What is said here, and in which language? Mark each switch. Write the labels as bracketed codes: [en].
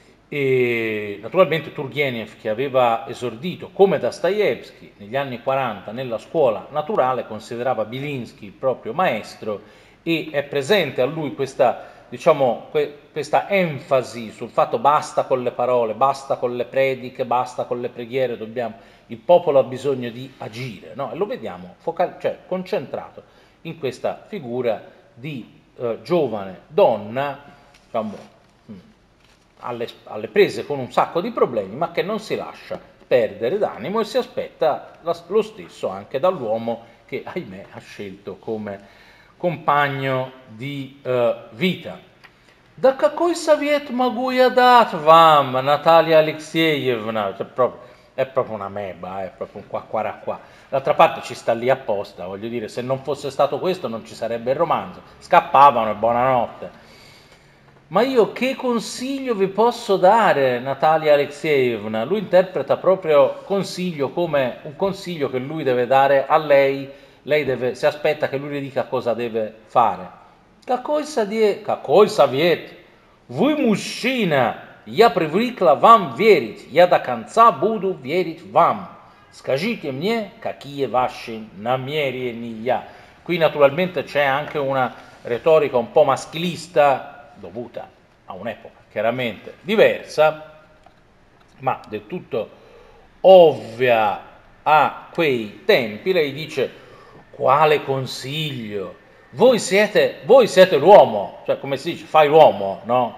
[it] E naturalmente Turgenev, che aveva esordito come Dostoevsky negli anni 40 nella scuola naturale, considerava Bielinski il proprio maestro, e è presente a lui questa, diciamo, questa enfasi sul fatto: basta con le parole, basta con le prediche, basta con le preghiere, il popolo ha bisogno di agire, no? E lo vediamo concentrato in questa figura di giovane donna, diciamo, alle prese con un sacco di problemi, ma che non si lascia perdere d'animo e si aspetta lo stesso anche dall'uomo che, ahimè, ha scelto come compagno di vita. [ru] Da какой совет могу я дать вам, Наталья Алексеевна? [it] È proprio una meba, è proprio un quacquaraquà. D'altra parte ci sta lì apposta, voglio dire, se non fosse stato questo non ci sarebbe il romanzo. Scappavano e buonanotte. Ma io che consiglio vi posso dare, Natalia Alexeyevna? Lui interpreta proprio consiglio come un consiglio che lui deve dare a lei. Lei deve, si aspetta che lui le dica cosa deve fare. [ru] Какой совет? Вы мужчина, я привыкла вам верить. Я до конца буду верить вам. Скажите мне, какие ваши намерения? [it] Qui naturalmente c'è anche una retorica un po' maschilista, dovuta a un'epoca chiaramente diversa, ma del tutto ovvia a quei tempi. Lei dice: quale consiglio? Voi siete l'uomo, cioè, come si dice, fai l'uomo, no?